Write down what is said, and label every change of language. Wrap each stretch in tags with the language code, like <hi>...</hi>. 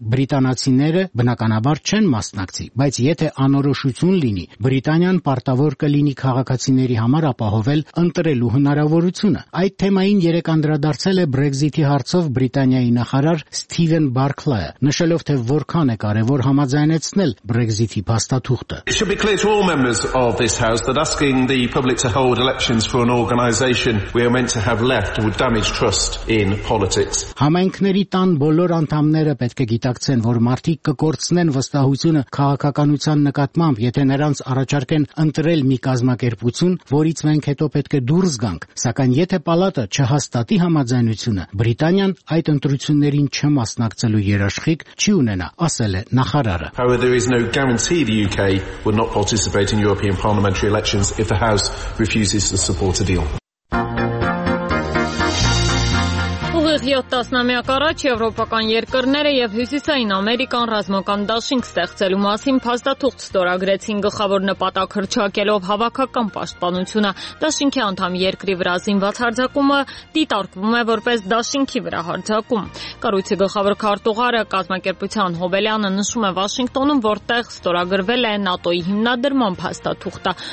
<hy>բրիտանացիները բնականաբար չեն մասնակցի, բայց եթե անորոշություն լինի, Բրիտանիան պարտավոր կլինի քաղաքացիների համար ապահովել ընտրելու հնարավորությունը։ Այդ թեմային երեկ անդրադարձել է Brexit-ի հարցով Բրիտանիայի նախարար Սթիվեն Բարքլայը, նշելով, թե որքան է կարևոր համաձայնեցնել Brexit-ի փաստաթուղթը։</hy> <en>It should be clear to all members of this House that asking the public to hold elections for an organisation we are meant to have left would damage trust in politics.</en> <hy>Համայնքների տան բոլոր անդամները պետք է գիտակցեն, որ մարդիկ կկործնեն վստահությունը քաղաքականության նկատմամբ, եթե նրանց առաջարկեն ընտրել մի կազմակերպություն, որից մենք հետո պետք է դուրս գանք, սակայն եթե պալատը չհաստատի համաձայնությունը, Բրիտանիան այդ ընտրություններին չմասնակցելու երաշխիք չի ունենա, ասել է նախարարը։</hy> <en>However, there is no guarantee the UK would not participate in European parliamentary elections if the House refuses to support a deal.</en> <hy>Այստեղ 7 տասնամյակ առաջ եվրոպական երկրները եւ Հյուսիսային Ամերիկան ռազմական դաշինք ստեղծելու մասին փաստաթուղթ ստորագրեցին գլխավոր նպատակ հրճակելով հավաքական պաշտպանությունը։ Դաշինքի անդամ երկրի վրա զինված հարձակումը դիտարկվում է որպես դաշինքի վրա հարձակում։ Կառույցի գլխավոր քարտուղարը կազմակերպության Հովելյանը նշում է Վաշինգտոնում, որտեղ ստորագրվել է ՆԱՏՕ-ի հիմնադրման փաստաթուղթը։</hy>